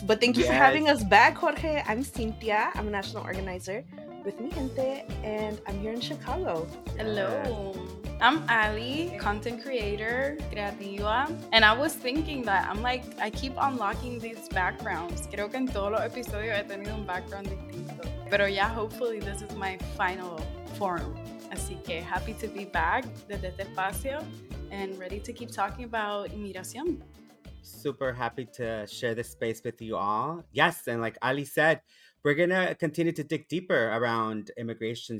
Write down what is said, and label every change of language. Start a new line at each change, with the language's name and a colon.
English: But thank you yes. for having us back, Jorge. I'm Cynthia. I'm a national organizer with Mi Gente, and I'm here in Chicago. Hello. I'm Ali, content creator, creativa. And I was thinking that I'm like, I keep unlocking these backgrounds.
Spanish: Creo que en todos los episodios he tenido un background distinto. Pero ya,
English: yeah, hopefully this is my final forum.
Spanish: Así que
English: happy to be back
Spanish: desde este espacio
English: and ready to keep talking about inmigración. Super happy to share this space with you all. Yes, and like Ali said, we're going to continue to dig deeper around immigration.